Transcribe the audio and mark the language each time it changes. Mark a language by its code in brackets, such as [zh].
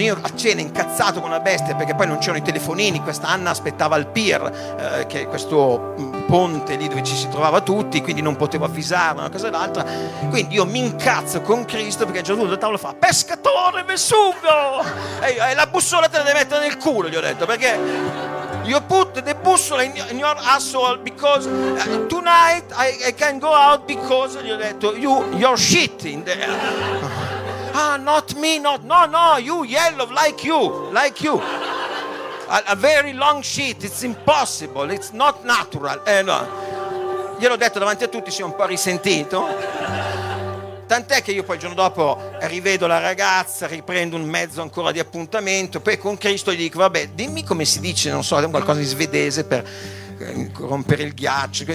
[it] Io a cena incazzato con la bestia, perché poi non c'erano i telefonini, questa Anna aspettava al pier, che è questo ponte lì dove ci si trovava tutti, quindi non potevo avvisare una cosa o l'altra, quindi io mi incazzo con Cristo, perché Gesù da tavolo fa: pescatore Vesuvio, e la bussola te la devi mettere nel culo, gli ho detto, perché [en] you put the bussola in your asshole, because tonight I can go out, because [it] gli ho detto [en] you're shit in there. Ah, not me, not, no, no, you yellow, like you. A very long shit, it's impossible, it's not natural. No. [it] Gliel'ho detto davanti a tutti, si è un po' risentito. Tant'è che io poi il giorno dopo rivedo la ragazza, riprendo un mezzo ancora di appuntamento, poi con Cristo gli dico: vabbè, dimmi come si dice, non so, qualcosa di svedese per rompere il ghiaccio.